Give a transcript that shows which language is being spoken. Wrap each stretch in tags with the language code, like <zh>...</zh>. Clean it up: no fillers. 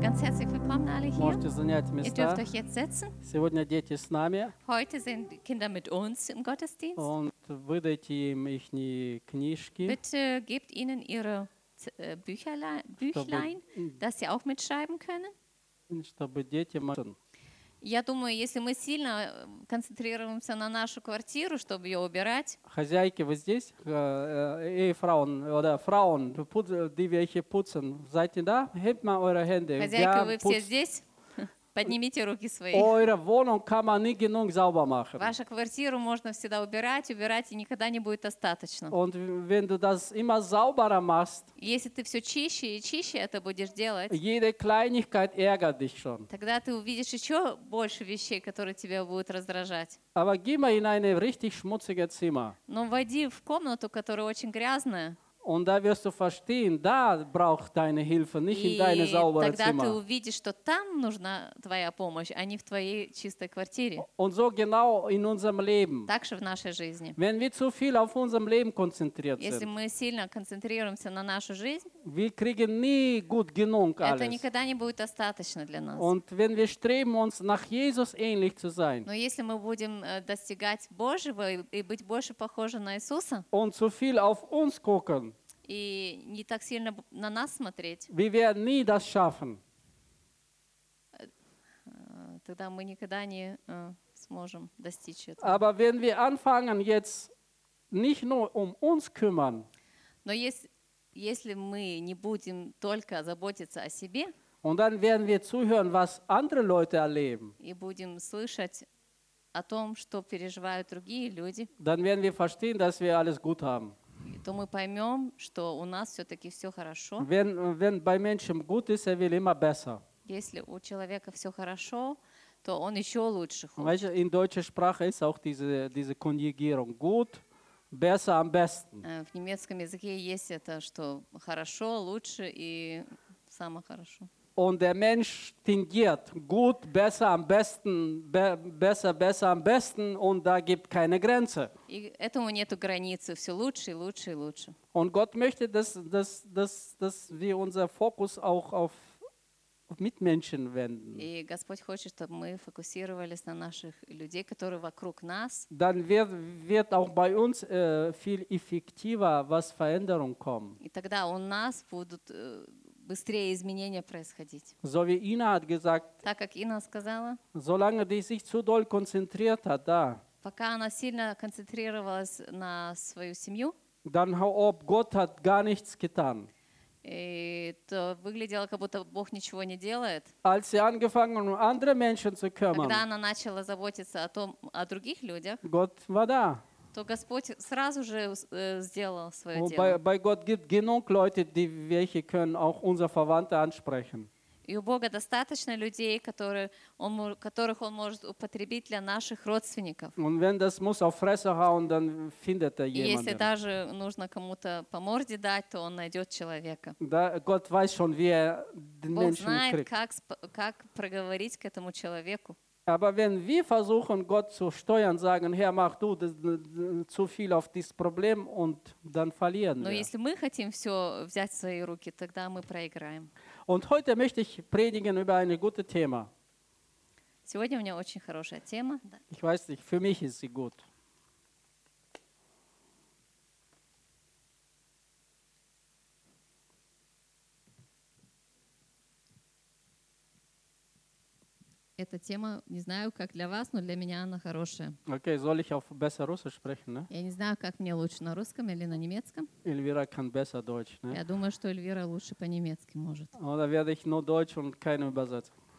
<de>Ganz herzlich willkommen alle hier.</de> <ru>Можете занять места.</ru> <de>Ihr dürft euch jetzt setzen.</de> <ru>Сегодня дети с нами.</ru> <de>Heute sind Kinder mit uns im Gottesdienst. Und</de> <ru>выдайте им их книжки.</ru> <de>Bitte gebt ihnen ihre Büchlein, dass sie auch mitschreiben können.</de> <ru>Чтобы дети могли. Я думаю, если мы сильно концентрируемся на нашу квартиру, чтобы ее убирать. Хозяйки, вы здесь? Эй,</ru> <de>фрауен, да, фрауен, die welche putzen, seid ihr da? Hebt mal eure Hände.</de> <ru>Хозяйка, вы все здесь? Поднимите руки свои.</ru> <de>Eure Wohnung kann man nie genug sauber machen.</de> <ru>Вашу квартиру можно всегда убирать, убирать, и никогда не будет достаточно.</ru> <de>Und wenn du das immer sauberer machst,</de> <ru>если ты все чище и чище это будешь делать,</ru> <de>jede Kleinigkeit ärgert dich schon.</de> <ru>Тогда ты увидишь еще больше вещей, которые тебя будут раздражать.</ru> <de>Aber geh mal in eine richtig schmutzige Zimmer.</de> <ru>Но войди в комнату, которая очень грязная.</ru> <de>Und da wirst du verstehen, da braucht deine Hilfe, nicht in deine saubere Zimmer.</de> <ru>Тогда ты увидишь, что там нужна твоя помощь, а не в твоей чистой квартире.</ru> <de>Und so genau in unserem Leben.</de> <ru>Так же в нашей жизни.</ru> <de>Wenn wir zu viel auf unserem Leben konzentriert sind.</de> <ru>Если мы сильно концентрируемся на нашу жизнь.</ru> <de>Wir kriegen nie gut genug alles.</de> <ru>Это никогда не будет достаточно для нас.</ru> <de>Und wenn wir streben uns nach Jesus ähnlich zu sein.</de> <ru>Но если мы будем достигать Божьего и быть больше похожи на Иисуса.</ru> <de>Und zu viel auf uns gucken.</de> <ru>И не так сильно на нас смотреть.</ru> <de>Wir werden nie das schaffen.</de> <ru>Тогда мы никогда не сможем достичь этого.</ru> <de>Aber wenn wir anfangen jetzt nicht nur um uns kümmern.</de> <ru>Но если мы не будем только заботиться о себе.</ru> <de>Und dann werden wir zuhören, was andere Leute erleben.</de> <ru>И будем слышать о том, что переживают другие люди.</ru> <de>Dann werden wir verstehen, dass wir alles gut haben.</de> <ru>То мы поймем, что у нас все-таки все хорошо.</ru> <de>Wenn bei Menschen gut ist, er will immer besser.</de> <ru>Если у человека все хорошо, то он еще лучше хочет.</ru> <de>Weißt, in deutscher Sprache ist auch diese Konjugierung gut, besser, am besten.</de> <ru>В немецком языке есть это, что хорошо, лучше и самое хорошо.</ru> <de>Und der Mensch tingiert gut, besser, am besten, besser, besser, am besten und da gibt keine Grenze.</de> <ru>И этому нету границы, все лучше, лучше, лучше.</ru> <de>Und Gott möchte, dass wir unser Fokus auch auf Mitmenschen wenden.</de> <ru>И Господь хочет, чтобы мы фокусировались на наших людей, которые вокруг нас.</ru> <de>Dann wird auch bei uns viel effektiver, was Veränderung kommt.</de> <ru>И тогда у нас будут быстрее изменения происходить.</ru> <de>So wie Ina hat gesagt,</de> <ru>так как Ина сказала,</ru> <de>solange die sich zu doll konzentriert hat, da,</de> <ru>пока она сильно концентрировалась на свою семью,</ru> <de>dann ob Gott hat gar nichts getan.</de> <ru>То выглядело, как будто Бог ничего не делает.</ru> <de>Als sie angefangen, um andere Menschen zu kümmern,</de> <ru>когда она начала заботиться о том, о других людях,</ru> <de>Gott war da.</de> <ru>То Господь сразу же сделал свое дело.</ru> <de>Bei Gott gibt genug Leute, welche können auch unsere Verwandte ansprechen.</de> <ru>И у Бога достаточно людей, которых он может употребить для наших родственников.</ru> <de>Und wenn das muss auf Fresse hauen, dann findet er jemanden.</de> <ru>И если даже нужно кому-то по морде дать, то он найдет человека.</ru> <de>Da, Gott weiß schon, wie er den Menschen kriegt.</de> <ru>Бог знает, как проговорить к этому человеку.</ru> <de>Aber wenn wir versuchen, Gott zu steuern, sagen, Herr, mach du zu viel auf dieses Problem und dann verlieren</de> <ru>Но</ru> <de>wir.</de> <ru>Если мы хотим все взять в свои руки, тогда мы проиграем.</ru> <de>Und heute möchte ich predigen über ein gutes Thema.</de> <ru>Сегодня у меня очень хорошая тема.</ru> <de>Ich weiß nicht, für mich ist sie gut.</de> <ru>Эта тема, не знаю, как для вас, но для меня она хорошая.</ru> <de>Okay, soll ich auf besser Russisch sprechen, ne?</de> <ru>Я не знаю, как мне лучше, на русском или на немецком.</ru> <de>Эльвира kann besser Deutsch, ne?</de> <ru>Я думаю, что Эльвира лучше по-немецки может.</ru> <de>Oder werde ich nur Deutsch und keine Übersetzung.</de>